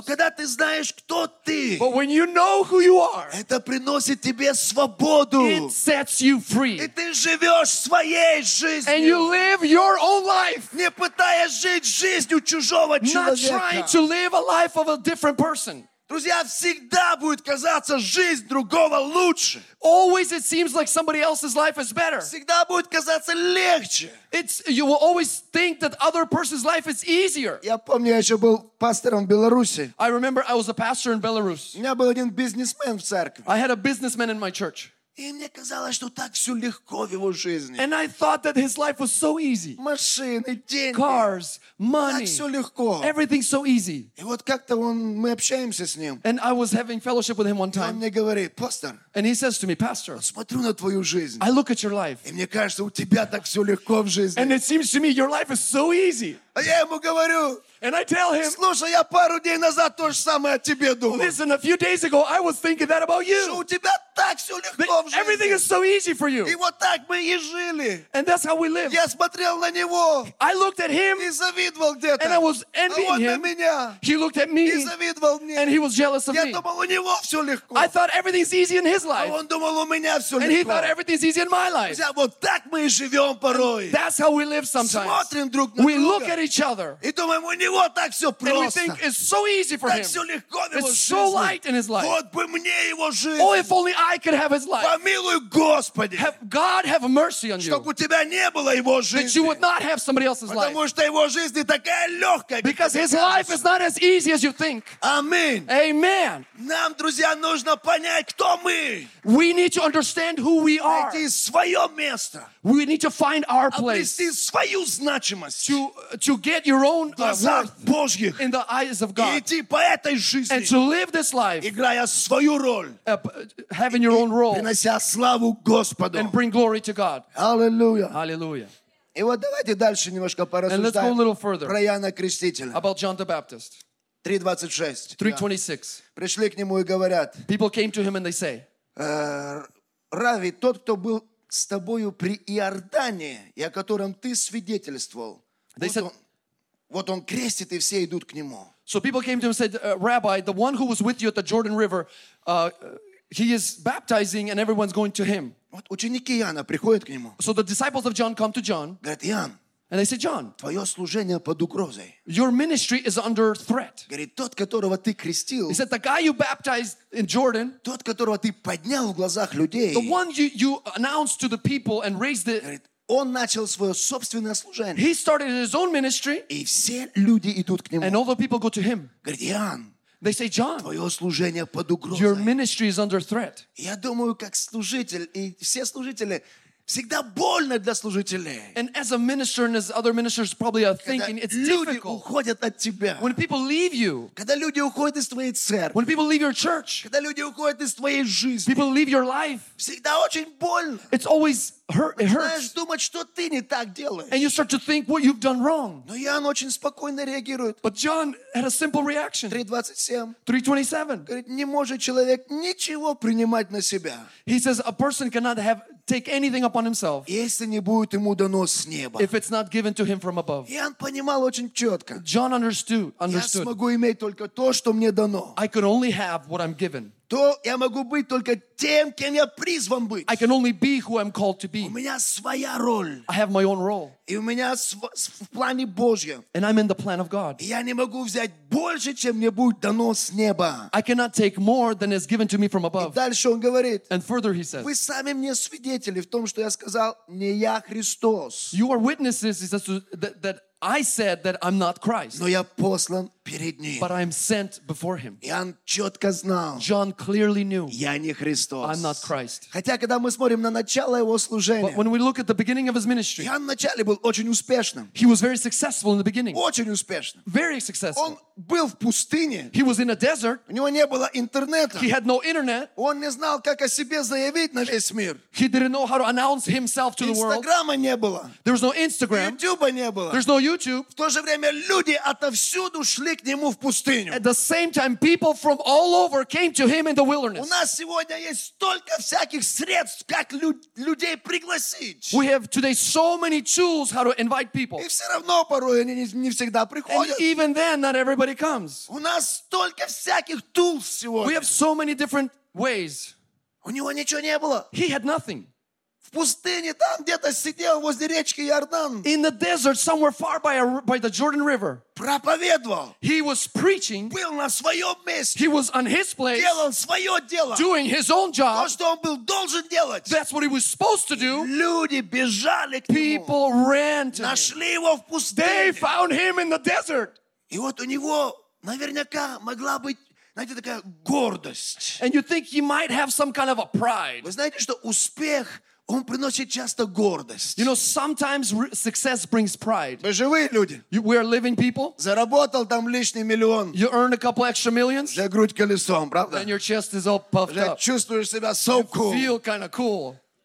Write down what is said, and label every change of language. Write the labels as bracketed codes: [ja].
[en] But when you know who you are, it sets you free. And you live your own life. Not trying to live a life of a different person. [ru] Друзья, всегда будет казаться жизнь другого лучше. [en] Always it seems like somebody else's life is better. [ru] Всегда будет казаться легче. [en] It's, you will always think that other person's life is easier. [ru] Я помню, я еще был пастором в Беларуси. [en] I remember I was a pastor in Belarus. [ru] У меня был один бизнесмен в церкви. [en] I had a businessman in my church. [ru] И мне казалось, что так все легко в его жизни. [en] And I thought that his life was so easy. [ru] Машины, деньги. [en] Cars, money. [ru] Так все легко. [en] Everything so easy. [ru] И вот как-то он, мы общаемся с ним. [en] And I was having fellowship with him one time. [ru] И он мне говорит, пастор. [en] And he says to me, pastor. [ru] Вот смотрю на твою жизнь. [en] I look at your life. [ru] И мне кажется, у тебя так все легко в жизни. [en] And it seems to me, your life is so easy. [ru] А я ему говорю. [en] And I tell him, [ru] слушай, я пару дней назад то же самое о тебе думал. [en] Listen, a few days ago, I was thinking that about you. [ru] Что у тебя так все легко в жизни. [en] Everything is so easy for you. [ru] И вот так мы и жили. [en] And that's how we live. [ru] Я смотрел на него. [en] I looked at him. [ru] И завидовал где-то. [en] And I was envying а him. [ru] А он на меня. [en] He looked at me. [ru] И завидовал мне. [en] And he was jealous of [ru] я [en] me. [ru] Я думал, у него все легко. [en] I thought everything's easy in his life. [ru] А он думал, у меня все легко. [en] And he thought everything's easy in my life. [ru] Друзья, вот так мы и живем порой. [en] And that's how we live sometimes. [ru] Смотрим друг на [en] we [ru] друга. [en] We look at each other. [ru] И думаем, у него него так все просто. [en] And we think it's so easy for [ru] так [en] him. [ru] Так все легко [en] It's so light in his life. [ru] Вот бы мне его жизнь. [en] Oh, if only I could have his life. [ru] Помилуй, Господи. [en] Have God have mercy on you. [ru] Чтоб у тебя не было его жизни. [en] That you would not have somebody else's life. [ru] Потому что его жизнь не такая легкая. [en] Because his life is not as easy as you think. [ru] Аминь. [en] Amen. [ru] Нам, друзья, нужно понять, кто мы. [en] We need to understand who we are. [ru] Найти свое место. [en] We need to find our place. [ru] Обрести свою значимость. [en] To get your own worth in the eyes of God. [ru] И идти по этой жизни. [en] And to live this life. [ru] Играя свою роль. [en] Having your own role. [ru] Принося славу Господу. [en] And bring glory to God. Hallelujah. Hallelujah. [ru] И вот давайте дальше немножко порассуждаем про Иоанна Крестителя. [en] About John the Baptist. [ru] 3:26. Пришли к нему и говорят. [en] People came to him and they say. [ru] Рави, тот, кто был с тобою при Иордане, и о котором ты свидетельствовал. [en] They said, [ru] вот он крестит, и все идут к нему. [en] So people came to him and said, Rabbi, the one who was with you at the Jordan River, he is baptizing, and everyone's going to him. [ru] Вот ученики Иоанна приходят к нему. [en] So the disciples of John come to John. [ru] Говорят, Иоанн. [en] And they said, John, [ru] твое служение под угрозой. [en] Your ministry is under threat. [ru] Говорит, тот, которого ты крестил, [en] he said, the guy you baptized in Jordan, [ru] тот, которого ты поднял в глазах людей, [en] the one you announced to the people and raised it, [ru] говорит, он начал свое собственное служение. [en] He started his own ministry. [ru] И все люди идут к нему. [en] And all the people go to him. [ru] Говорит, Иоанн. [en] They say, John, [ru] твое служение под угрозой. [en] Your ministry is under threat. [ru] Я думаю, как служитель, и все служители, всегда больно для служителей. [en] And as a minister and as other ministers probably are thinking, it's [ru] люди [en] difficult. [ru] Люди уходят от тебя. [en] When people leave you. [ru] Когда люди уходят из твоей церкви. [en] When people leave your church. [ru] Когда люди уходят из твоей жизни. [en] People leave your life. [ru] Всегда очень больно. [en] It's always hurt. It hurts. [ru] Начинаешь думать, что ты не так делаешь. [en] And you start to think what you've done wrong. [ru] Но Иоанн очень спокойно реагирует. [en] But John had a simple reaction. [ru] 3:27. Говорит, не может человек ничего принимать на себя. [en] He says, a person cannot have take anything upon himself if it's not given to him from above. [ru] Иоанн понимал очень четко. [en] John understood. [ru] Я смогу иметь только то, что мне дано. [en] I can only have what I'm given. [ru] То я могу быть только тем, кем я призван быть. [en] I can only be who I'm called to be. [ru] У меня своя роль. [en] I have my own role. [ru] И у меня в плане Божьем. [en] And I'm in the plan of God. [ru] Я не могу взять больше, чем мне будет дано с неба. [en] I cannot take more than is given to me from above. [ru] И дальше он говорит. [en] And further he says. [ru] Вы сами мне свидетели в том, что я сказал, не я Христос. [en] You are witnesses, he says, that I said that I'm not Christ. [ru] Но я послан перед ним. [en] But I'm sent before him. [ru] Иоанн четко знал. [en] John clearly knew. [ru] Я не Христос. [en] I'm not Christ. [ru] Хотя, когда мы смотрим на начало его служения. [en] But when we look at the beginning of his ministry. [ru] Иоанн вначале был очень успешным. [en] He was very successful in the beginning. [ru] Очень успешным. [en] Very successful. [ru] Он был в пустыне. [en] He was in a desert. [ru] У него не было интернета. [en] He had no internet. [ru] Он не знал, как о себе заявить на весь мир. [en] He didn't know how to announce himself to the world. [ru] Инстаграма не было. [en] There was no Instagram. [ru] Ютуба не было. [en] There's no YouTube. [ru] В то же время люди отовсюду шли к нему в пустыню. [en] At the same time, people from all over came to him in the wilderness. [ru] У нас сегодня есть столько всяких средств, как людей пригласить. [en] We have today so many tools how to invite people. [ru] И все равно порой они не всегда приходят. [en] And even then, not everybody comes. [ru] У нас столько всяких [en] tools [ru] сегодня. [en] We have so many different ways. [ru] У него ничего не было. [en] He had nothing. [ru] В пустыне там где-то сидел возле речки Иордан. [en] In the desert, somewhere far by the Jordan River. [ru] Проповедовал. [en] He was preaching. [ru] Был на своем месте. [en] He was on his place. [ru] Делал свое дело. [en] Doing his own job. [ru] То, что он был должен делать. [en] That's what he was supposed to do. [ru] Люди бежали к нему. [en] People ran to him. [ru] Нашли его в пустыне. [en] They found him in the desert. [ru] И вот у него наверняка могла быть, знаете, такая гордость. [en] And you think he might have some kind of a pride. [ru] Вы знаете, что успех он приносит часто гордость. [en] You know, sometimes success brings pride. [ru] Мы живые люди. [en] We are living people. [ru] Заработал там лишний миллион. [en] You earn a couple extra millions. [ru] Для грудь колесом, правда? [en] And your chest is all puffed up. [ru] Чувствуешь себя [en] so cool. You feel kind of cool.